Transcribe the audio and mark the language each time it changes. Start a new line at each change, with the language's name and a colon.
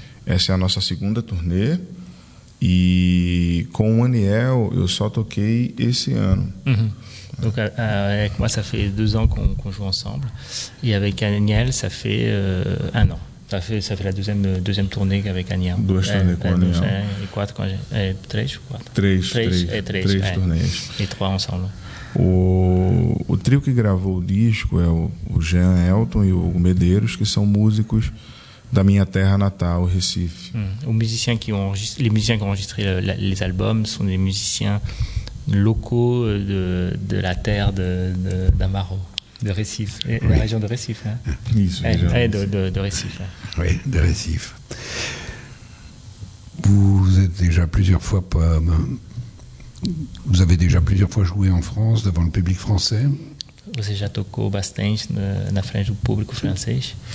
Portuguese: Essa é a nossa segunda turnê. E com o Aniel eu só toquei esse ano.
French: Donc, avec moi, ça fait deux ans qu'on joue ensemble. Et avec Aniel, ça fait un an. Ça fait la deuxième tournée avec Aniel. Deux tournées avec Aniel. Trois ensemble.
Portuguese: O trio que gravou o disco é o Jean Elton e o Medeiros, que são músicos da minha terra natal, Recife.
French: Les musiciens qui ont enregistré les albums sont des musiciens locaux de la terre d'Amaro, de Recife, oui. La région de Recife. Hein?
Portuguese: Isso, de Recife.
French: Hein? Oui, de Recife. Vous avez déjà plusieurs fois joué en France devant le public français.
Portuguese: Você já tocou bastante na frente do público francês?